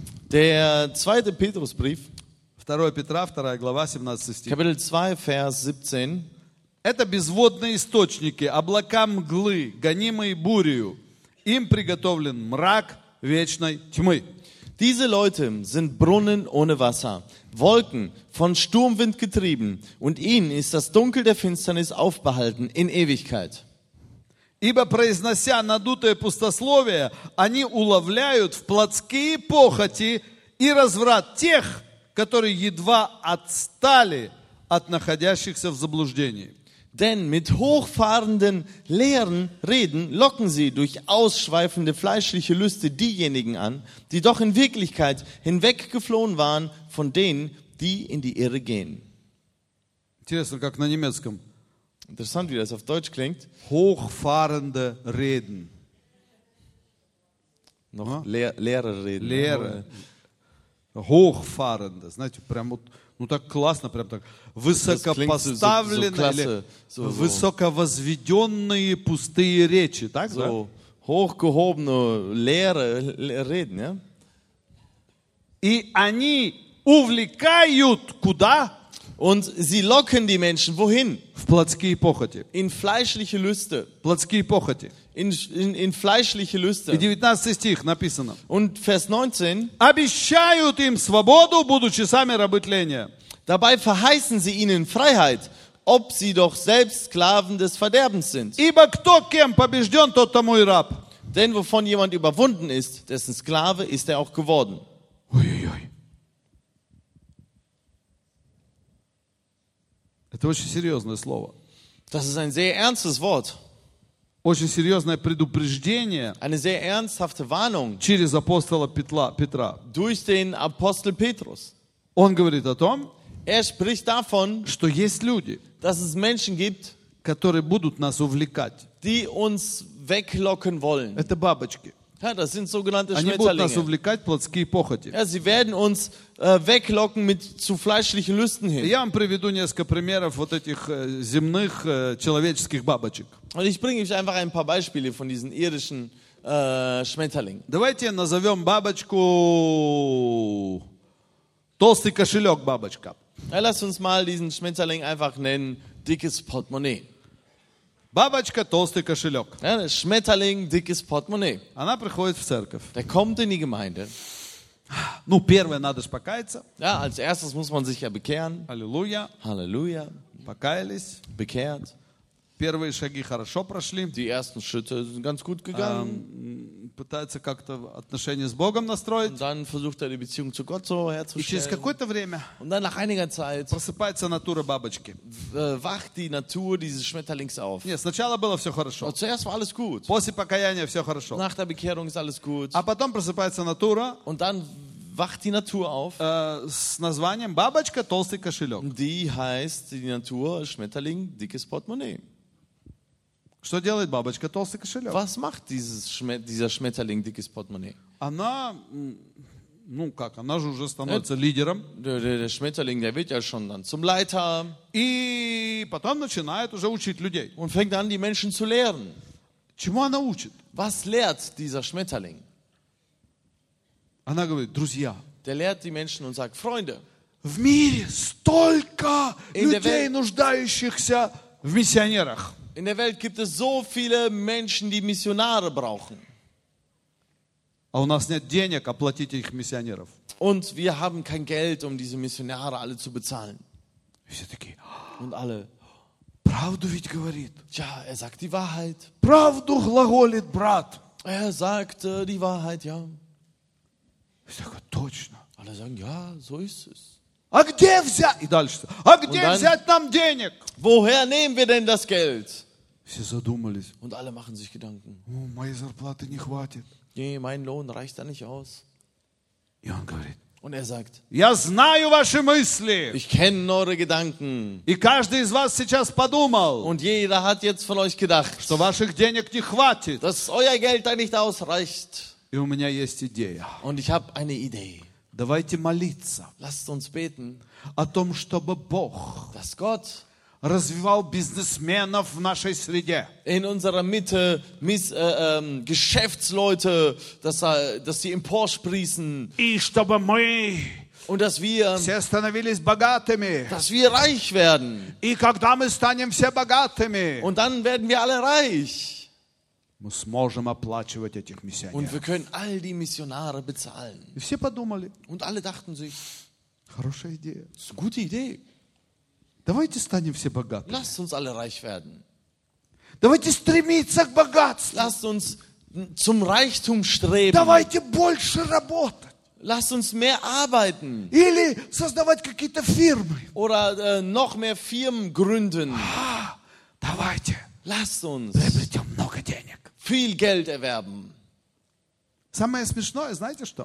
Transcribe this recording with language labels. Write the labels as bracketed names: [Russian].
[German] Der zweite Petrusbrief. [Russian] 2 Петра, 2 глава, 17 стих. [German] Kapitel 2, Vers 17. [Russian] Это безводные источники, облака мглы, гонимые бурею. Им приготовлен мрак вечной тьмы. [German] Diese Leute sind Brunnen ohne Wasser, Wolken von Sturmwind getrieben, und ihnen ist das Dunkel der Finsternis aufbehalten in Ewigkeit. [Russian] Ибо произнося надутое пустословие, они уловляют в плотские похоти и разврат тех, которые едва отстали от находящихся в заблуждении. [German] Denn mit hochfahrenden, leeren Reden locken sie durch ausschweifende fleischliche Lüste diejenigen an, die doch in Wirklichkeit hinweggeflohen waren von denen, die in die Irre gehen. Interessant, wie das auf Deutsch klingt. Hochfahrende Reden. Noch leere Reden. Leere. Hochfahrende. [Russian] Знаете, прям вот... Ну так классно, прям так. Высокопоставленные, [German] so, so klasse, so, so. [Russian] Высоковозведенные пустые речи, так, [German] so, [Russian] да? [German] Hochgehobene, leere Reden, ja? [Russian] И они увлекают куда? [German] Und sie locken die Menschen, wohin? [Russian] В плотские похоти. [German] In fleischliche Lüste. [Russian] Плотские похоти. [German] In fleischliche Lüste. [Russian] И 19 стих написано. [German] Und Vers 19. [Russian] Обещают им свободу, будучи сами рабы тления. [German] Dabei verheißen sie ihnen Freiheit, ob sie doch selbst Sklaven des Verderbens sind. [Russian] Ибо кто кем побежден, тот тому и раб. [German] Denn wovon jemand überwunden ist, dessen Sklave ist er auch geworden. Uiuiui. [Russian] Это очень серьезное слово. [German] Das ist ein sehr ernstes Wort. [Russian] Очень серьезное предупреждение. [German] Eine sehr ernsthafte Warnung. [Russian] Через апостола Петра. [German] Durch den Apostel Petrus. [Russian] Он говорит о том, [German] er spricht davon, [Russian] что есть люди, [German] dass es Menschen gibt, [Russian] которые будут нас увлекать. [German] Die uns weglocken wollen. [Russian] Это бабочки. [German] Ja, das sind sogenannte Schmetterlinge. [Russian] Они будут нас увлекать плотские похоти. [German] Ja, sie werden uns weglocken mit zu fleischlichen Lüsten hin. [Russian] Я вам приведу несколько примеров вот этих земных человеческих бабочек. [German] Und ich bringe euch einfach ein paar Beispiele von diesen irdischen Schmetterlingen. [Russian] Давайте назовем бабочку толстый кошелек бабочка. [German] Ja, lass uns mal diesen Schmetterling einfach nennen dickes Portemonnaie. [Russian] Бабочка толстый кошелек. [German] Schmetterling dickes Portemonnaie. [Russian] Она приходит в церковь. [German] Der kommt in die Gemeinde. [Russian] Ну, первое надо же покаяться. [German] Ja, als erstes muss man sich ja bekehren. Halleluja. Halleluja. [Russian] Покаялись. [German] Bekehrt. [Russian] Первые шаги хорошо прошли. [German] Die ersten Schritte sind ganz gut gegangen. [Russian] Пытается как-то отношения с Богом настроить. [German] Und dann versucht die Beziehung zu Gott so herzustellen. [Russian] И через какое-то время. [German] Und dann nach einiger Zeit. [Russian] Просыпается натура бабочки. [German] Wacht die Natur dieses Schmetterlings auf. [Russian] Нет, сначала было все хорошо. [German] Und zuerst war alles gut. [Russian] После покаяния все хорошо. [German] Nach der Bekehrung ist alles gut. [Russian] А потом просыпается натура. [German] Und dann wacht die Natur auf. [Russian] С названием бабочка толстый кошелек. [German] Die heißt die Natur Schmetterling dickes Portemonnaie. [Russian] Что делает бабочка толстый кошелек? [German] Was macht dieser Schmetterling dickes Portemonnaie? [Russian] Она, ну как, она же уже становится лидером. [German] Der Schmetterling, der wird ja schon dann zum Leiter. [Russian] И потом начинает уже учить людей. [German] Und fängt an, die Menschen zu lehren. [Russian] Чему она учит? [German] Was lehrt dieser Schmetterling? [Russian] Она говорит, друзья. [German] Der lehrt die Menschen und sagt, Freunde. [Russian] В мире столько людей, нуждающихся в миссионерах. [German] In der Welt gibt es so viele Menschen, die Missionare brauchen. [Russian] А у нас нет денег оплатить их миссионеров. [German] Und wir haben kein Geld, um diese Missionare alle zu bezahlen. [Russian] Все такие. [German] Und alle. [Russian] Правду ведь говорит. [German] Ja, er sagt die Wahrheit. [Russian] Правду глаголит, брат. [German] Er sagt die Wahrheit, ja. [Russian] Все такое, точно. [German] Alle sagen, ja, so ist es. [Russian] А где взять? И дальше. А где [German] dann, [Russian] взять нам денег? [German] Woher nehmen wir denn das Geld? [Russian] Все задумались. [German] Und alle machen sich Gedanken. [Russian] О, моей зарплаты не хватит. [German] Nee, mein Lohn reicht da nicht aus. [Russian] И он говорит. [German] Und er sagt. [Russian] Я знаю ваши мысли. [German] Ich kenne eure Gedanken. [Russian] И каждый из вас сейчас подумал. [German] Und jeder hat jetzt von euch gedacht. [Russian] Что ваших денег не хватит. [German] Dass euer Geld da nicht ausreicht. [Russian] И у меня есть идея. [German] Und ich habe eine Idee. [Russian] Давайте молиться. [German] Lasst uns beten. [Russian] О том, чтобы Бог. [German] Dass Gott. [Russian] Развивал бизнесменов в нашей среде. [German] In unserer Mitte Geschäftsleute, dass sie emporsprießen. [Russian] И чтобы мы [German] und dass wir, [Russian] все становились богатыми. [German] Dass wir reich werden. [Russian] И когда мы станем все богатыми. [German] Und dann werden wir alle reich. [Russian] Мы сможем оплачивать этих миссионеров. [German] Und wir können all die Missionare bezahlen. [Russian] И все подумали. [German] Und alle dachten sich. [Russian] Хорошая идея. [German] Das ist eine gute Idee. [Russian] Давайте станем все богатыми. [German] Lasst uns alle reich werden. [Russian] Давайте стремиться к богатству. [German] Lasst uns zum Reichtum streben. [Russian] Давайте больше работать. [German] Lasst uns mehr arbeiten. [Russian] Или создавать какие-то фирмы. [German] Oder noch mehr Firmen gründen. [Russian] Давайте. [German] Lasst uns. [Russian] Приобретем много денег. [German] Viel Geld erwerben. [Russian] Самое смешное, знаете что?